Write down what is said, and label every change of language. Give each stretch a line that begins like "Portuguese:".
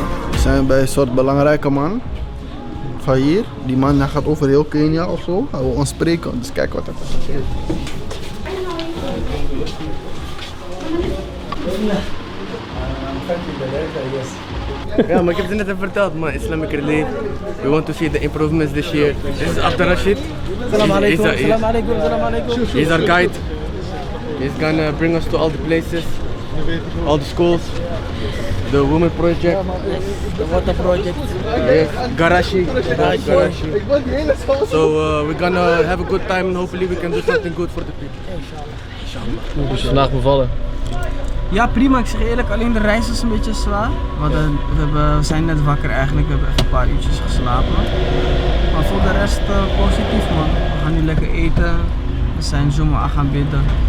Dutch: We zijn bij een soort belangrijke man van hier. Die man gaat over heel Kenia of zo. Hij wil ons spreken, dus kijk wat er gebeurt. Ja, maar ik heb het net verteld, man.
English: Islamic Relief. We want to see the improvements this year. This is Abdul Rashid.
Arabic: Salam alaikum.
English: He's our guide. He's gonna bring us to all the places, all the schools, the women project, the water project, Garashi. So we're gonna have a good time and hopefully we can do something good for the people.
Arabic: Inshallah.
Dutch: Hoe is het vandaag bevallen? Ja, prima. Ik zeg eerlijk, alleen de reis was een beetje zwaar. We zijn net wakker eigenlijk. We hebben even een paar uurtjes geslapen. Maar voor de rest positief, man. We gaan nu lekker eten. We zijn zomaar aan gaan bidden.